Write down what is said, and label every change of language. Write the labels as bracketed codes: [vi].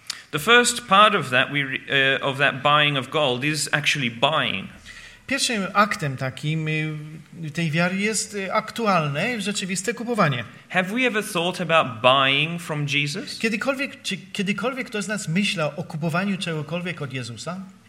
[en] The first part of that of that buying of gold is actually buying. [pl] Pierwszym aktem takim tej wiary jest aktualne, rzeczywiste kupowanie. [en] Have we ever thought about buying from Jesus? [pl] Kiedykolwiek ktoś z nas myślał o kupowaniu czegokolwiek od Jezusa?